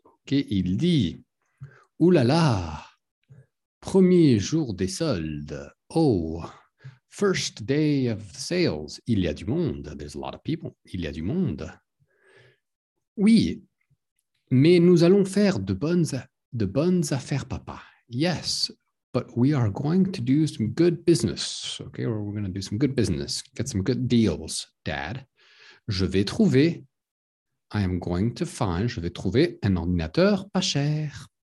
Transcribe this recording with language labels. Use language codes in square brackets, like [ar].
[fr] OK, il dit, Ouh là là, premier jour des soldes. [en] Oh, first day of sales. [fr] Il y a du monde. [en] There's a lot of people. Il y a du monde. [fr] Oui, mais nous allons faire de bonnes affaires, papa. [en] Yes. But we are going to do some good business, okay? We're going to do some good business, get some good deals, Dad. [fr] Je vais trouver, [en] I am going to find, [fr] je vais trouver un ordinateur pas cher.